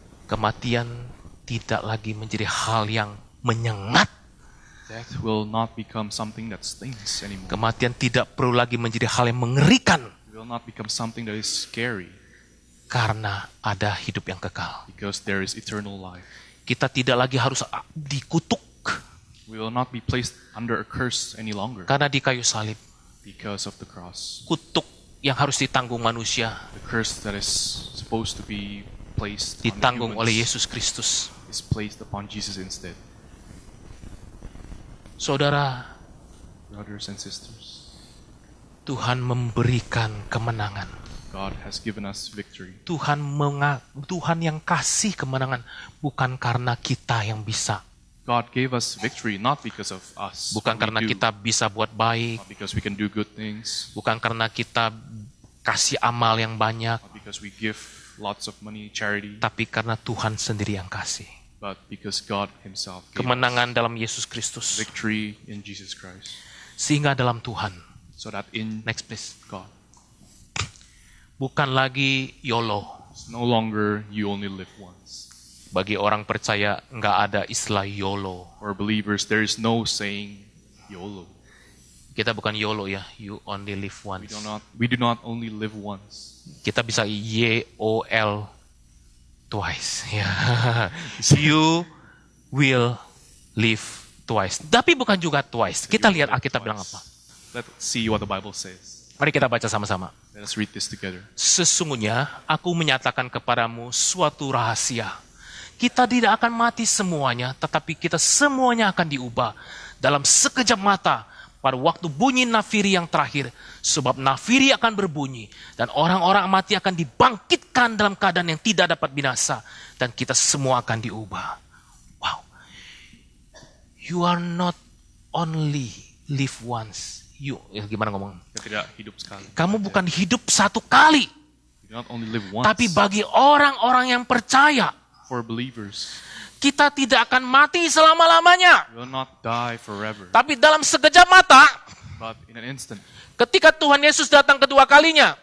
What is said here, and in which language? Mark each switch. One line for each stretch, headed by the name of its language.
Indonesian: Kematian tidak lagi menjadi hal yang menyengat.
English: Death will not become something that stings anymore.
Indonesian: Kematian tidak perlu lagi menjadi hal yang mengerikan.
English: It will not become something that is scary.
Indonesian: Karena ada hidup yang kekal.
English: Because there is eternal life.
Indonesian: Kita tidak lagi harus dikutuk.
English: We will not be placed under a curse any longer.
Indonesian: Karena di kayu salib.
English: Because of the cross.
Indonesian: Kutuk yang harus ditanggung manusia.
English: The curse that is supposed to be placed
Indonesian: ditanggung oleh Yesus Kristus.
English: Is placed upon Jesus instead.
Indonesian: Saudara,
English: brothers and sisters,
Indonesian: Tuhan memberikan kemenangan.
English: God has given us victory.
Indonesian: Tuhan yang kasih kemenangan bukan karena kita yang bisa.
English: God gave us victory not because of us.
Indonesian: Bukan karena kita bisa buat baik.
English: Not because we can do good things.
Indonesian: Bukan karena kita kasih amal yang banyak.
English: Not because we give lots of money charity.
Indonesian: Tapi karena Tuhan sendiri yang kasih.
English: But because God himself gave
Indonesian: kemenangan us dalam Yesus Kristus.
English: Victory in Jesus Christ.
Indonesian: Sehingga dalam Tuhan.
English: So that in next place God.
Indonesian: Bukan lagi YOLO.
English: It's no longer you only live once.
Indonesian: Bagi orang percaya enggak ada istilah YOLO.
English: For believers there is no saying YOLO.
Indonesian: Kita bukan YOLO ya,
English: you only live once. We do not only live once.
Indonesian: Kita bisa YOL
English: twice. Yeah. You will live twice.
Indonesian: Tapi bukan juga twice. Kita lihat Alkitab bilang apa.
English: Let's see what the Bible says.
Indonesian: Mari kita baca sama-sama.
English: Let's read this together.
Indonesian: Sesungguhnya aku menyatakan kepadamu suatu rahasia. Kita tidak akan mati semuanya, tetapi kita semuanya akan diubah dalam sekejap mata pada waktu bunyi nafiri yang terakhir, sebab nafiri akan berbunyi dan orang-orang mati akan dibangkitkan dalam keadaan yang tidak dapat binasa dan kita semua akan diubah. Wow.
English: You are not only live once. You,
Indonesian: ya gimana ngomong? Tidak hidup sekali. Kamu bukan hidup satu kali.
English: You not only live once.
Indonesian: Tapi bagi orang-orang yang percaya,
English: for believers,
Indonesian: kita tidak akan mati selama-lamanya.
English: You will not die forever.
Indonesian: Tapi dalam sekejap mata,
English: but in an instant,
Indonesian: ketika Tuhan Yesus datang kedua kalinya,